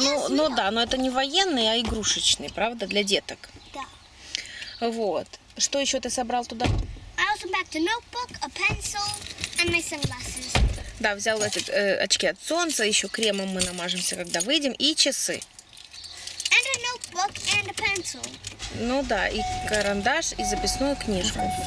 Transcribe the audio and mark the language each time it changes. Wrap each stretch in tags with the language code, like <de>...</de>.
<ru>Ну да, но это не военный, а игрушечный, правда, для деток. Да. Вот. Что еще ты собрал туда?</ru> <en>I also packed a notebook, a pencil, and my sunglasses.</en> <ru>Да, взял этот, очки от солнца, еще кремом мы намажемся, когда выйдем, и часы.</ru> <en>And a notebook and a pencil.</en> <ru>Ну да, и карандаш, и записную книжку.</ru>